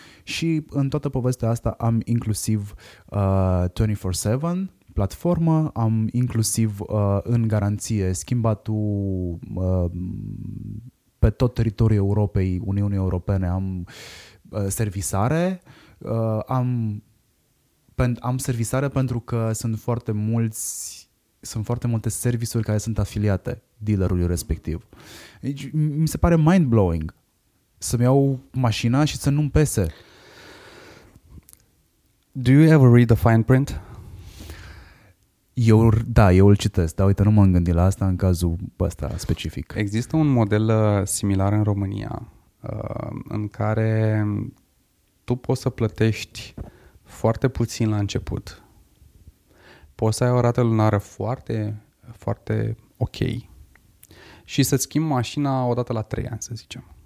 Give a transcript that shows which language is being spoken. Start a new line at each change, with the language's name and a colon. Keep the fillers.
Romanian: Și în toată povestea asta am inclusiv uh, 24/7 platformă, am inclusiv uh, în garanție schimbatul uh, pe tot teritoriul Europei, Uniunii Europene, am uh, servisare, uh, am, pen, am servisare pentru că sunt foarte mulți sunt foarte multe servisuri care sunt afiliate dealerului respectiv. Deci, mi se pare mind-blowing să-mi iau mașina și să nu-mi pese.
English: Do you ever read the fine print?
Romanian: Eu, da, eu îl citesc, dar uite, nu m-am gândit la asta în cazul ăsta specific. Există un model similar în România în care tu poți să plătești foarte puțin la început poți să ai o rată lunară foarte, foarte ok și să-ți schimbi mașina odată la trei ani, să zicem.